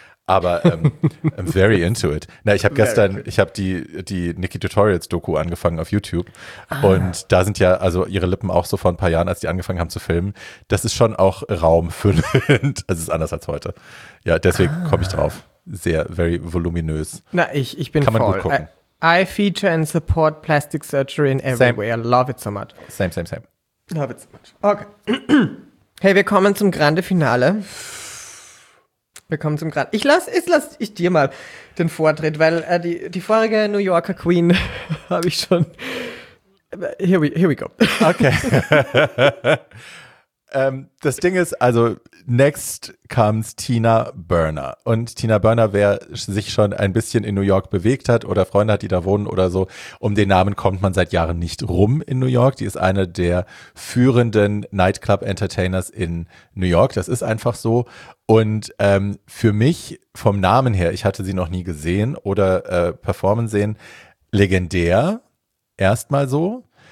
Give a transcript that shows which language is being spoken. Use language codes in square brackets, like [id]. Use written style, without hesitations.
[de] Aber [en] I'm very into it. [de] Na, ich habe gestern, ich habe die Nikki Tutorials-Doku angefangen auf YouTube. Ah. Und da sind ja also ihre Lippen auch so vor ein paar Jahren, als die angefangen haben zu filmen. Das ist schon auch raumfüllend. Also es ist anders als heute. Ja, deswegen komme ich drauf. Sehr, [en] very [de] voluminös. Na, ich bin voll. Kann man gut gucken. [en] I feature and support plastic surgery in everywhere. Same. Love it so much. Same. Love it so much. Okay. [de] Hey, wir kommen zum Grande Finale. Willkommen zum Grad. Ich lass dir mal den Vortritt, weil die vorige New Yorker Queen habe ich schon. [en] Here we go. [de] Okay. Das Ding ist, also [en] next comes [de] Tina Burner. Und Tina Burner, wer sich schon ein bisschen in New York bewegt hat oder Freunde hat, die da wohnen oder so, um den Namen kommt man seit Jahren nicht rum in New York. Die ist eine der führenden Nightclub-Entertainers in New York. Das ist einfach so. Und für mich vom Namen her, ich hatte sie noch nie gesehen oder performen sehen, legendär erstmal so.